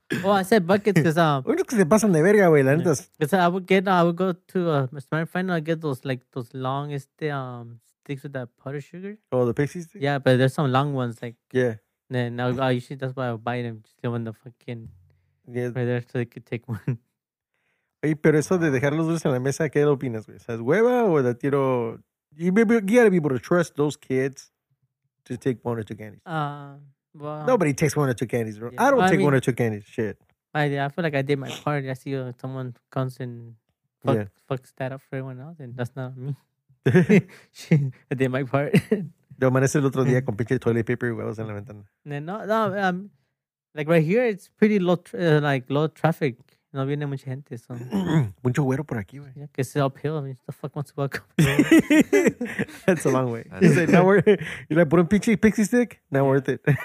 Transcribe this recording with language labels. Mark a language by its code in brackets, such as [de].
[en] Oh, I said buckets because I would get, I would go to a smart friend and I get those long sticks with that powdered sugar. Oh, the pixie sticks? Yeah, but there's some long ones. Like, yeah. And then I usually, that's why I would buy them. Just give them the fucking, right there so they could take one. [es] Hey, pero eso de dejar los dulces en la mesa, ¿qué opinas, güey? ¿Sabes hueva o de tiro? [en] You gotta be able to trust those kids to take one or two candies. Well, nobody takes one or two candies, bro. Yeah. I don't take one or two candies. Shit. I feel like I did my part. I see someone comes and fucks that up for everyone else, and that's not me. I did my part. [es] Yo amanece el otro día con pinche toilet paper y huevos en la ventana. [en] No, like right here, it's pretty low traffic. [es] No viene mucha gente, so. Mucho güero por aquí, güey. Yeah, que sea uphill. [en] I mean, the fuck wants to walk up? That's a long way. You say, now we're... You like, put a pinche pixie stick? Not worth it.